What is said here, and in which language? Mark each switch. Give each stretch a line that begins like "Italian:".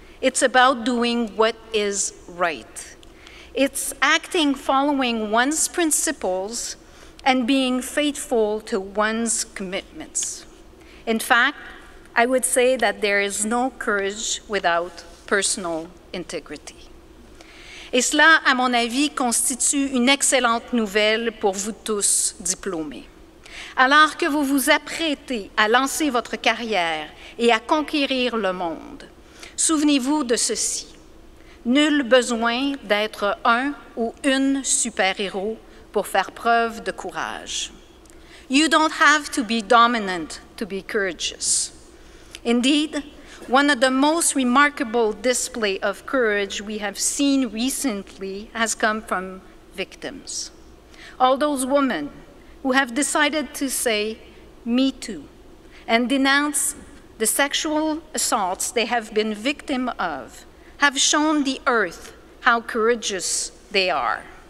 English: It's about doing what is right. It's acting following one's principles and being faithful to one's commitments. In fact, I would say that there is no courage without personal integrity.
French: Et cela, à mon avis, constitue une excellente nouvelle pour vous tous diplômés. Alors que vous vous apprêtez à lancer votre carrière et à conquérir le monde, souvenez-vous de ceci. Nul besoin d'être un ou une super-héros pour faire preuve de courage.
English: You don't have to be dominant to be courageous. Indeed, one of the most remarkable displays of courage we have seen recently has come from victims. All those women who have decided to say, me too, and denounce the sexual assaults they have been victim of, have shown the earth how courageous they are.